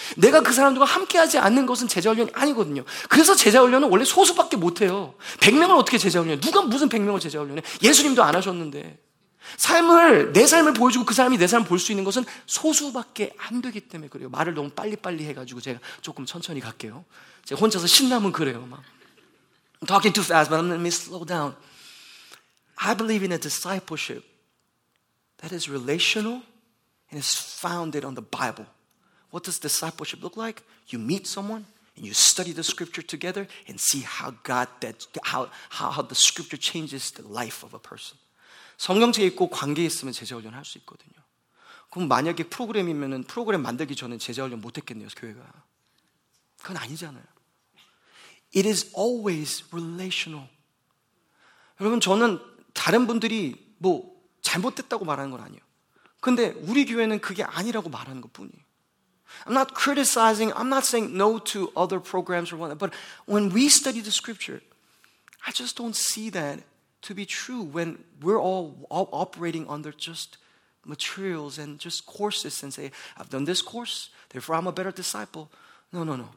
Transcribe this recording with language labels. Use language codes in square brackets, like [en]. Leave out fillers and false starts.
[ko] 내가 그 사람들과 함께하지 않는 것은 제자훈련이 아니거든요. 그래서 제자훈련은 원래 소수밖에 못해요. 100명을 어떻게 제자훈련해? 누가 무슨 100명을 제자훈련해? 예수님도 안 하셨는데. 삶을 내 삶을 보여주고 그 사람이 내 삶을 볼 수 있는 것은 소수밖에 안 되기 때문에 그래요. 말을 너무 빨리빨리 해가지고 제가 조금 천천히 갈게요. 제가 혼자서 신나면 그래요. 막. [en] I'm talking too fast, but let me slow down. I believe in a discipleship that is relational and is founded on the Bible. What does discipleship look like? You meet someone and you study the scripture together and see how God that how the scripture changes the life of a person. [ko] 성경책 읽고 관계 있으면 제자훈련 할 수 있거든요. 그럼 만약에 프로그램이면 프로그램 만들기 전에 제자훈련 못했겠네요, 교회가. 그건 아니잖아요. [en] It is always relational. [ko] 여러분, 저는 다른 분들이 뭐 잘못됐다고 말하는 건 아니에요. 근데 우리 교회는 그게 아니라고 말하는 것뿐이에요. [en] I'm not criticizing, I'm not saying no to other programs or whatever, but when we study the scripture, I just don't see that to be true when we're all operating under just materials and just courses and say, I've done this course, therefore I'm a better disciple. No, no, no.